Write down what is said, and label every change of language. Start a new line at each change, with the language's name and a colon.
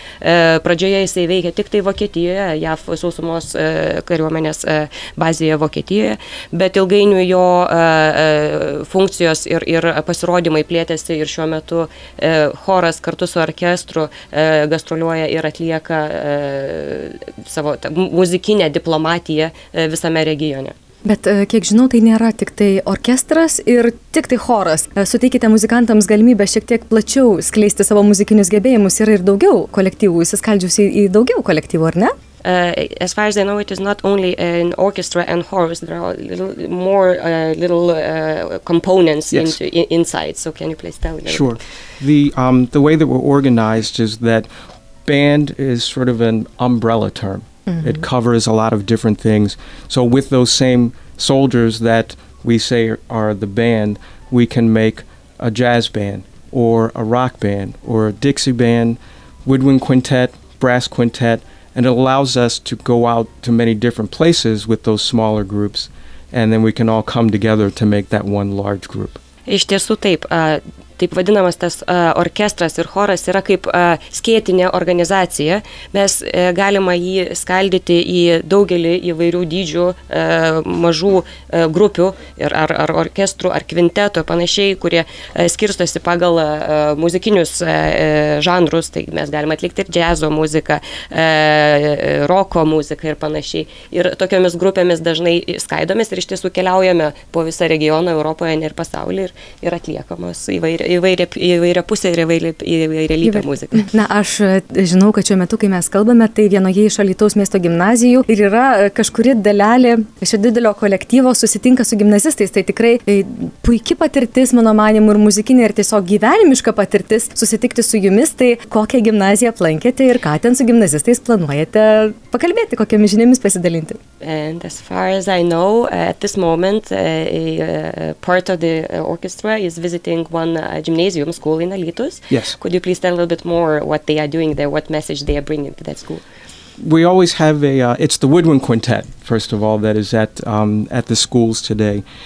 Lithuanian: Pradžioje jisai veikė tik tai Vokietijoje, JAF sausumos kariuomenės bazėje Vokietijoje, bet ilgainiui jo funkcijos ir pasirodymai plėtėsi ir šiuo metu choras kartu su orkestru gastroliuoja ir atlieka savo muzikinę diplomatiją visame regione. Bet, kiek žinau, tai nėra tik tai orkestras ir tik tai choras. Suteikite muzikantams galimybę šiek tiek plačiau skleisti savo muzikinius gebėjimus. Yra ir daugiau kolektyvų, įsiskaldžiusi į daugiau kolektyvų, ar ne?
English: As far as I know, it is not only an orchestra and chorus. There are little components yes. inside. So can you please tell me? Sure. The way that we're organized is that band is sort of an umbrella term. Mm-hmm. It covers a lot of different things. So with those same soldiers that we say are the band, we can make a jazz band or a rock band or a Dixie band, woodwind quintet, brass quintet, and it allows us to go out to many different places with those smaller groups, and then we can all come together to make that one large group.
Lithuanian: Iš tiesų taip. Taip vadinamas tas orkestras ir choras yra kaip skėtinė organizacija. Mes galima jį skaldyti į daugelį įvairių dydžių mažų grupių ir, ar orkestrų, ar kvinteto, panašiai, kurie skirstosi pagal muzikinius žanrus. Tai mes galime atlikti ir džiazo muziką, roko muziką ir panašiai. Ir tokiomis grupėmis dažnai skaidomis ir iš tiesų keliaujame po visą regioną Europoje ir pasaulyje ir atliekamos įvairia pusė ir įvairia lygia muzika. Na, aš žinau, kad šiuo metu, kai mes kalbame, tai vienoje iš Alytaus miesto gimnazijų ir yra kažkuri dalelė šio didelio kolektyvo susitinka su gimnazistais. Tai tikrai puiki patirtis, mano manimu, ir muzikinė, ir tiesiog gyvenimiška patirtis susitikti su jumis. Tai kokią gimnaziją aplankėte ir ką ten su gimnazistais planuojate pakalbėti, kokiamis žiniomis pasidalinti?
English: And as far as I know, at this moment, a part of the orchestra is visiting one gymnasium school in Alytus. Yes. Could you please tell a little bit more what they are doing there, what message they are bringing to that school? We always have it's the woodwind quintet, first of all, that is at the schools today.